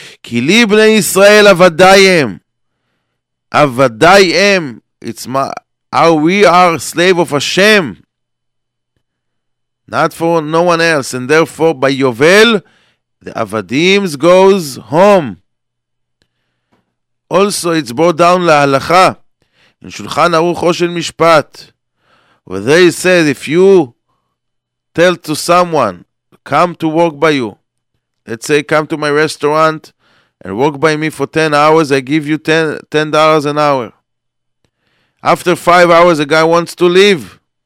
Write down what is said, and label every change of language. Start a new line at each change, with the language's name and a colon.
Hebrew: Ki li bnei Yisrael avadayim. Avadayim.
English: It's my, how we are slave of Hashem. Not for no one else. And therefore, by Yovel, the avadim goes home. Also, it's brought down להלכה, in שולחן ארוך של משפט. Where they said, if you tell to someone, come to work by you. Let's say, come to my restaurant and work by me for 10 hours, I give you $10 an hour. After 5 hours, a guy wants to leave.